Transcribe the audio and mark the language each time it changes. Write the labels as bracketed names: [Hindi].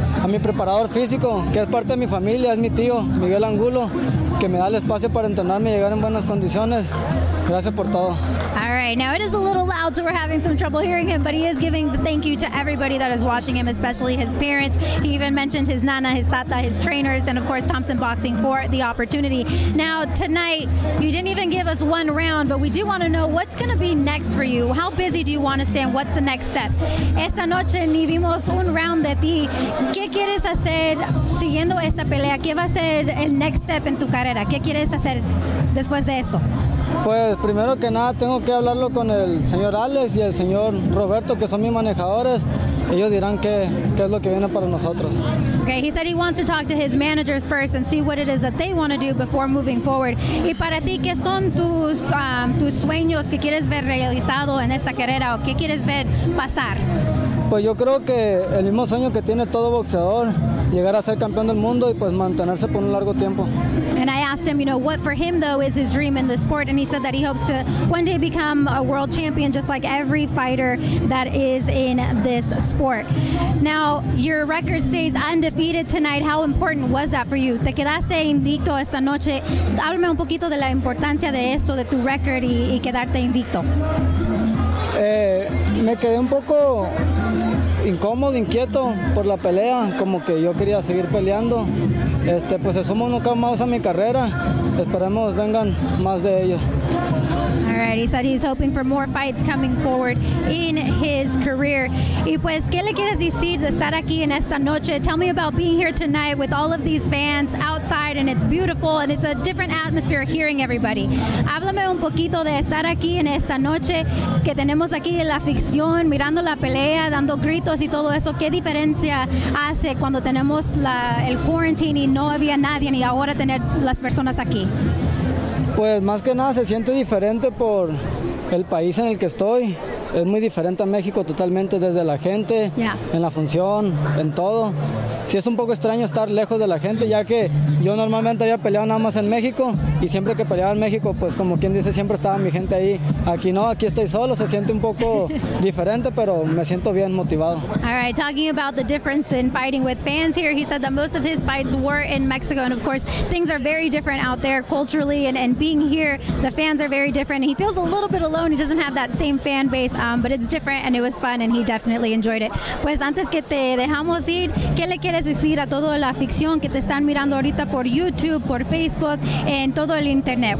[Spanish] A mi preparador físico, que es parte de mi familia, es mi tío, Miguel Angulo, que me da el espacio para entrenarme y llegar en buenas condiciones. Gracias por todo. [English] All right, now it is a little loud, so we're having some trouble hearing him, but he is giving the thank you to everybody that is watching him, especially his parents. He even mentioned his nana, his tata, his trainers, and of course, Thompson Boxing for the opportunity. Now, tonight, you didn't even give us one round, but we do want to know what's going to be next for you. How busy do you want to stay, and what's the next step? [Spanish] Esta noche ni vimos un round de ti. ¿Qué quieres hacer siguiendo esta pelea? ¿Qué va a ser el [English] next step [Spanish] en tu carrera? ¿Qué quieres hacer después de esto? Pues primero que nada tengo que hablarlo con el señor Alex y el señor Roberto que son mis manejadores. Ellos dirán qué es lo que viene para nosotros. [English] Okay, he said he wants to talk to his managers first and see what it is that they want to do before moving forward. [Spanish] Y para ti, ¿qué son tus sueños que quieres ver realizado en esta carrera o qué quieres ver pasar? Pues yo creo que el mismo sueño que tiene todo boxeador, llegar a ser campeón del mundo y pues mantenerse por un largo tiempo. [English] And I asked him, you know, what for him though is his dream in the sport, and he said that he hopes to one day become a world champion just like every fighter that is in this sport. Now, your record stays undefeated tonight. How important was that for you? [Spanish] Te quedaste invicto esta noche. Háblame un poquito de la importancia de esto, de tu record y quedarte invicto. Me quedé un poco incómodo, inquieto por la pelea, como que yo quería seguir peleando. Pues se suma un knockout más a mi carrera. Esperemos vengan más de ellos. [English] All right, he said he's hoping for more fights coming forward in his career. [Spanish] Y pues, ¿qué le quieres decir de estar aquí en esta noche? [English] Tell me about being here tonight with all of these fans outside, and it's beautiful, and it's a different atmosphere hearing everybody. [Spanish] Háblame un poquito de estar aquí en esta noche, que tenemos aquí en la ficción, mirando la pelea, dando gritos y todo eso. ¿Qué diferencia hace cuando tenemos el quarantine y no había nadie, y ahora tener las personas aquí? Pues más que nada se siente diferente por el país en el que estoy. Es muy diferente a México totalmente, desde la gente, en la función, en todo. Sí es un poco extraño estar lejos de la gente, ya que yo normalmente había peleado nada más en México y siempre que peleaba en México, pues como quien dice, siempre estaba mi gente ahí. Aquí no, aquí estoy solo, se siente un poco diferente, pero me siento bien motivado. [English] All right, talking about the difference in fighting with fans here, he said that most of his fights were in Mexico, and of course, things are very different out there culturally, and being here, the fans are very different. He feels a little bit alone, he doesn't have that same fan base, but it's different, and it was fun, and he definitely enjoyed it. [Spanish] Pues antes que te dejamos ir, ¿qué le quieres decir a toda la afición que te están mirando ahorita por YouTube, por Facebook, en todo el internet?